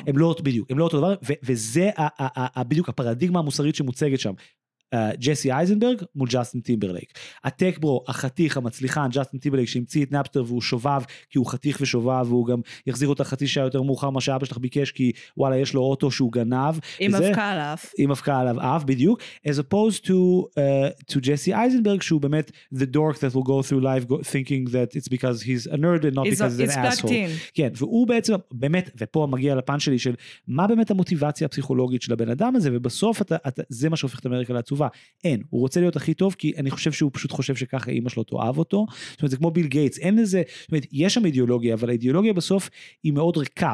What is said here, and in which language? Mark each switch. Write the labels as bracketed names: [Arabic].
[Hebrew] הם לא בדיוק, הם לא אותו דבר, וזה בדיוק הפרדיגמה המוסרית שמוצגת שם. ג'סי אייזנברג מול ג'סטין טימברלייק. הטקברו, החתיך המצליחן, ג'סטין טימברלייק, שהמציא את נאפסטר והוא שובב, כי הוא חתיך ושובב, והוא גם יחזיר אותה חצי שעה יותר מאוחר מה שאבא שלך ביקש, כי וואלה, יש לו אוטו שהוא גנב. עם הפקה על אף. עם הפקה על אף, בדיוק. [English] As opposed to Jesse Eisenberg, [Hebrew] שהוא באמת [English] the dork that will go through life thinking that it's because he's a nerd and not because he's an asshole. [Hebrew] כן, והוא בעצם, באמת, ופה מגיע לפן שלי של מה באמת המוטיבציה הפסיכולוגית של הבן אדם הזה, ובסוף זה מה שהופך את אמריקה לעצובה. אין, הוא רוצה להיות הכי טוב, כי אני חושב שהוא פשוט חושב שככה אמא שלו תאהב אותו. זאת אומרת, זה כמו ביל גייטס, אין לזה, זאת אומרת, יש שם אידיאולוגיה, אבל האידיאולוגיה בסוף היא מאוד ריקה.